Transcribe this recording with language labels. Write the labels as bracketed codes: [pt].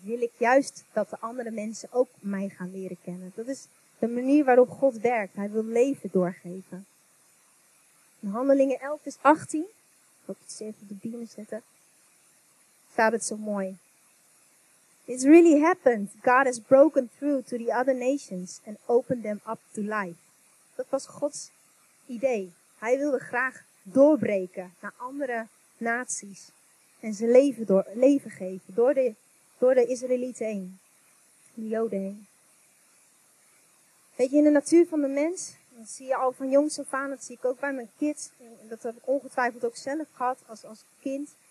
[nl] Wil ik juist dat de andere mensen ook mij gaan leren kennen. Dat is de manier waarop God werkt. Hij wil leven doorgeven. In Handelingen 11 vers 18, ik hoop dat ze even op de beamen zetten, staat het zo mooi. [en] It's really happened. God has broken through to the other nations and opened them up to life. [nl] Dat was Gods idee. Hij wilde graag doorbreken naar andere naties en ze leven geven door de Israëlieten heen, de Joden heen. Weet je, in de natuur van de mens, dat zie je al van jongs af aan, dat zie ik ook bij mijn kids. Dat heb ik ongetwijfeld ook zelf gehad als kind.